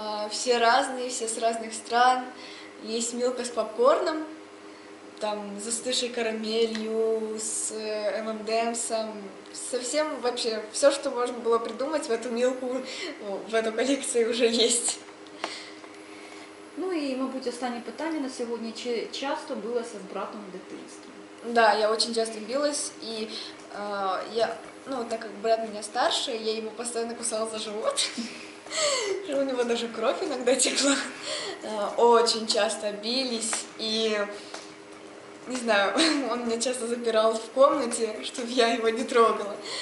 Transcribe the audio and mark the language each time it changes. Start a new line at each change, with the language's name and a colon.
Russian: Все разные, все с разных стран. Есть Милка с попкорном, там, с застывшей карамелью, с M&M'сом. Совсем вообще все, что можно было придумать в эту Милку, в эту коллекцию уже есть.
Ukrainian: Ну и, мабуть, останнє питання на сьогодні. Чи часто билася з братом в дитинстві?
Russian: Да, я очень часто билась, и я, ну, так как брат у меня старший, я ему постоянно кусала за живот. У него даже кровь иногда текла. Очень часто бились, и, не знаю, он меня часто запирал в комнате, чтобы я его не трогала.